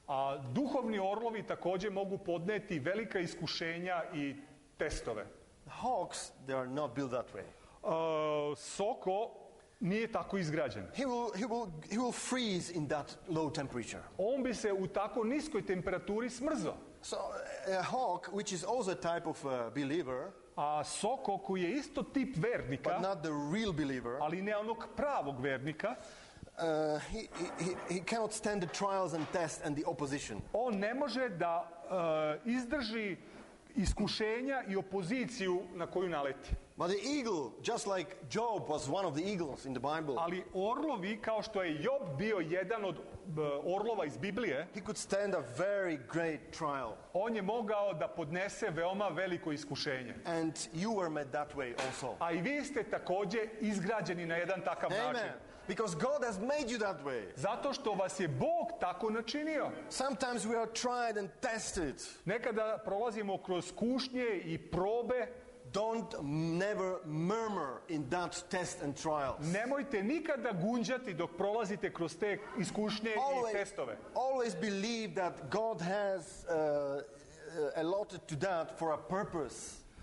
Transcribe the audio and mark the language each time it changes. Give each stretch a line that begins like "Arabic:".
Serbian: A duhovni orlovi također mogu podneti velika iskušenja i testove.
English: The hawks, they are not built that way.
Serbian: Soko nije tako izgrađen.
English: He will freeze in that low temperature.
Serbian: On bi se u tako niskoj temperaturi smrzao.
English: So a hawk, which is also a type of believer.
Serbian: A soko koji je isto tip vernika,
English: but not the real believer,
Serbian: ali ne onog pravog vernika,
English: he cannot stand the trials and tests and the opposition.
Serbian: On ne može da izdrži iskušenja i opoziciju na koju naleti.
English: But the eagle, just like Job was one of the eagles in the Bible.
Serbian: Ali orlovi, kao što je Job bio jedan od orlova iz Biblije,
English: he could stand a very great trial.
Serbian: On je mogao da podnese veoma veliko iskušenje.
English: And you were made that way also.
Serbian: A i vi ste takođe izgrađeni na jedan takav
English: Amen.
Serbian: Način.
English: Because God has made you that way.
Serbian: Zato što vas je Bog tako načinio.
English: Sometimes we are tried and tested.
Serbian: Nekada prolazimo kroz kušnje i probe.
English: Don't never murmur in that test and trials.
Serbian: Nemojte nikada gunđati dok prolazite kroz te iskušnje
English: always,
Serbian: i testove.
English: Always believe that God has allotted to that for a purpose.